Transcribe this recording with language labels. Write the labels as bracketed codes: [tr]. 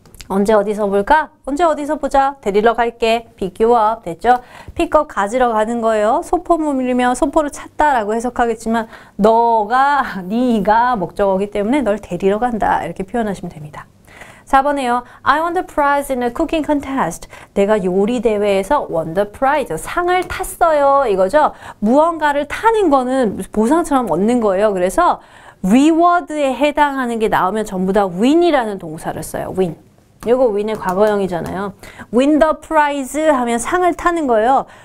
[ko] 언제 어디서 볼까? 언제 어디서 보자. 데리러 갈게. [en] Pick you up. [ko] 됐죠? [en] Pick up [ko] 가지러 가는 거예요. 소포물이면 소포를 찾다라고 해석하겠지만 너가, 네가 목적어이기 때문에 널 데리러 간다. 이렇게 표현하시면 됩니다. 4번에요. [en] I won the prize in a cooking contest. [ko] 내가 요리 대회에서 [en] won the prize. [ko] 상을 탔어요. 이거죠. 무언가를 타는 거는 보상처럼 얻는 거예요. 그래서 reward에 해당하는 게 나오면 전부 다 win이라는 동사를 써요. win. 이거 win의 과거형이잖아요. [en] win the prize [ko] 하면 상을 타는 거예요.